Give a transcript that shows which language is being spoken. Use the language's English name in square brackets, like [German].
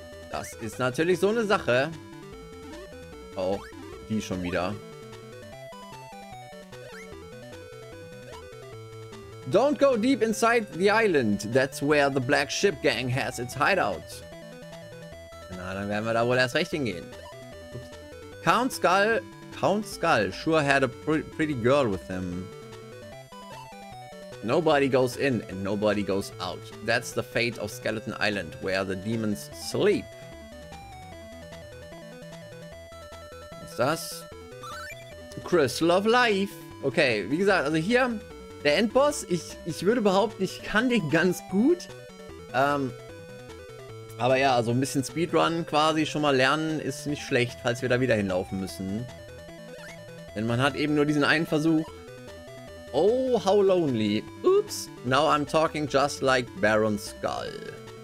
[German] Das ist natürlich so eine Sache. Auch die schon wieder. [English] Don't go deep inside the island. That's where the Black Ship Gang has its hideout. [German] Na, dann werden wir da wohl erst recht hingehen. [English] Oops. Count Skull sure had a pretty girl with him. Nobody goes in and nobody goes out. That's the fate of Skeleton Island, where the demons sleep. [German] Was ist das? Crystal of Life. Okay, wie gesagt, also hier der Endboss. Ich würde behaupten, ich kann den ganz gut. Aber ja, also ein bisschen Speedrun quasi schon mal lernen ist nicht schlecht, falls wir da wieder hinlaufen müssen. Denn man hat eben nur diesen einen Versuch. [English] Oh, how lonely. Oops, now I'm talking just like Baron Skull.